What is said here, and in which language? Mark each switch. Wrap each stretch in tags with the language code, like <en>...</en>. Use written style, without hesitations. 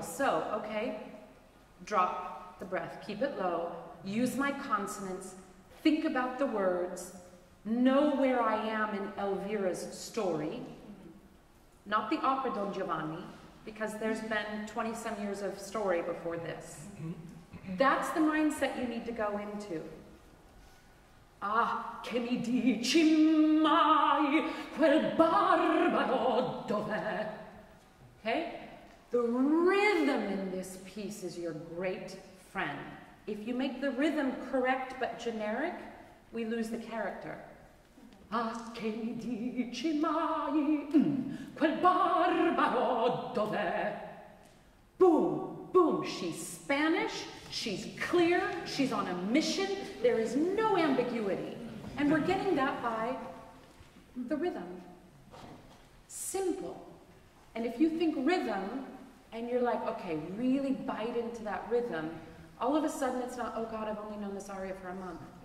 <en>So, okay, drop the breath, keep it low, use my consonants, think about the words, know where I am in Elvira's story, not the opera Don Giovanni, because there's been 20 some years of story before this. That's the mindset you need to go into.</en> <it>Ah, che mi dici mai quel barbaro dov'è?</it> <en>Okay? The rhythm in this piece is your great friend. If you make the rhythm correct but generic, we lose the character.</en> <it>Ah, che mi dici mai quel barbaro dov'è?</it> <en>Boom, boom, she's Spanish. She's clear, she's on a mission, there is no ambiguity. And we're getting that by the rhythm. Simple. And if you think rhythm, and you're like, okay, really bite into that rhythm, all of a sudden it's not, oh God, I've only known this aria for a month.</en>